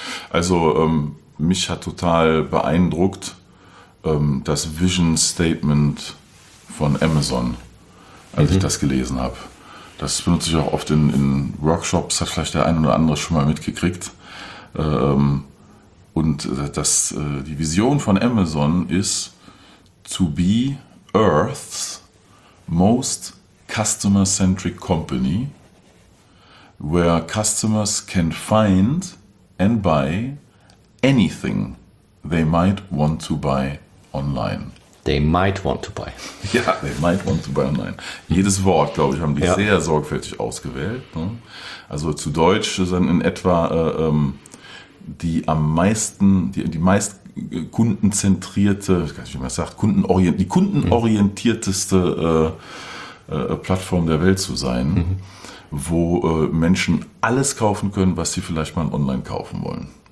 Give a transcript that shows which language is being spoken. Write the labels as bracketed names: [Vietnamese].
[German] Also mich hat total beeindruckt das Vision Statement von Amazon, als ich das gelesen habe. Das benutze ich auch oft in Workshops, hat vielleicht der ein oder andere schon mal mitgekriegt. Und das, die Vision von Amazon ist [English] to be Earth's most customer-centric company, where customers can find and buy anything they might want to buy online. They might want to buy. Ja, they might want to buy online. [German] Jedes Wort, glaube ich, haben die sehr sorgfältig ausgewählt. Ne? Also zu Deutsch sind in etwa die meist kundenzentrierte, ich weiß nicht, wie man das sagt, kundenorientierteste Plattform der Welt zu sein, wo Menschen alles kaufen können, was sie vielleicht mal online kaufen wollen.